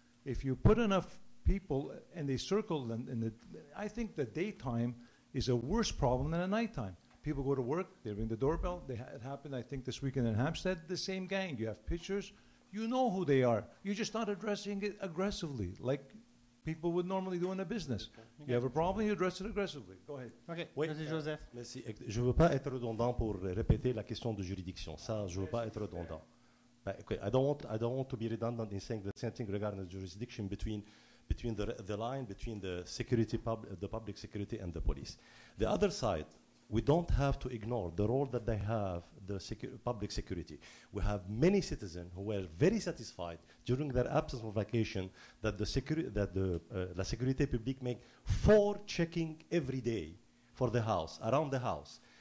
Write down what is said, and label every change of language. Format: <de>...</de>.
<en>If you put enough people and they circle, and I think the daytime is a worse problem than a nighttime. People go to work, they ring the doorbell. It happened, I think, this weekend in Hampstead, the same gang. You have pictures. You know who they are. You're just not addressing it aggressively like people would normally do in a business. Okay. You have a problem, you address it aggressively. Go ahead.</en> <fr>Okay. Oui. Merci, Joseph. Merci. Je ne veux pas être redondant pour répéter la question de juridiction. Ça, je ne veux pas être redondant.</fr> <en>I don't want to be redundant in saying the same thing regarding the jurisdiction between the line between the security the public security and the police. The other side, we don't have to ignore the role that they have, the public security. We have many citizens who were very satisfied during their absence of vacation that</en> <fr>la sécurité publique</fr> <en>make 4 checking every day for the house, around the house.</en>